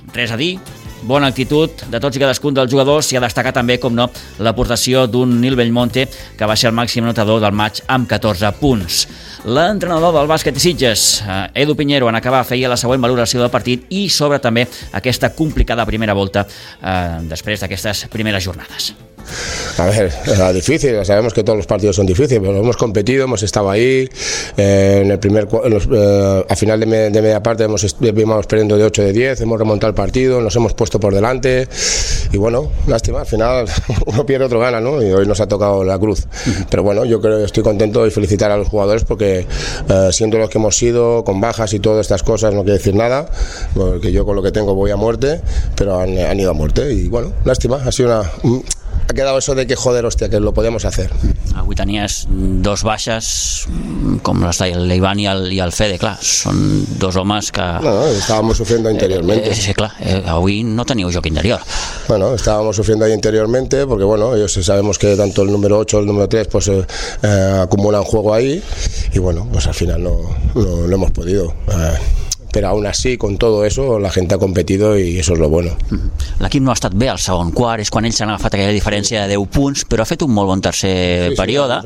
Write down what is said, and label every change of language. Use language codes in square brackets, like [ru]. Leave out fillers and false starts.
[ca] Res a dir, bona actitud de tots i cadascun dels jugadors, i a destacar també, com no, l'aportació d'un Nil Bellmonte, que va ser el màxim anotador del maig amb 14 punts. L'entrenador del bàsquet Sitges, Edu Piñero, en acabar feia la següent valoració del partit i sobre també aquesta complicada primera volta després d'aquestes primeres jornades. [es] A ver, era difícil, sabemos que todos los partidos son difíciles, pero hemos competido, hemos estado ahí, a final de media parte hemos perdiendo de 8 de 10, hemos remontado el partido, nos hemos puesto por delante, y bueno, lástima, al final uno pierde, otro gana, ¿no? Y hoy nos ha tocado la cruz. Pero bueno, yo creo que estoy contento y felicitar a los jugadores, porque siendo los que hemos sido, con bajas y todas estas cosas, no quiero decir nada, porque yo con lo que tengo voy a muerte, pero han ido a muerte, y bueno, lástima, ha sido una... ha quedado eso de que joder, hostia, que lo podemos hacer. [ca] Avui tenies dos baixes, com les de l'Ivan i el Fede, clar, són dos homes que... [es] No, estábamos sufriendo interiormente. [ca] Sí, clar, avui no teníeu joc interior. [es] Bueno, estábamos sufriendo ahí interiormente, porque bueno, ellos sabemos que tanto el número 8 o el número 3 pues acumulan juego ahí, y bueno, pues al final no hemos podido... Però aún así, con todo eso, la gente ha competido y eso es lo bueno. [ca] L'equip no ha estat bé al segon quart, és quan ells han agafat aquella diferència de 10 punts, però ha fet un molt bon tercer període.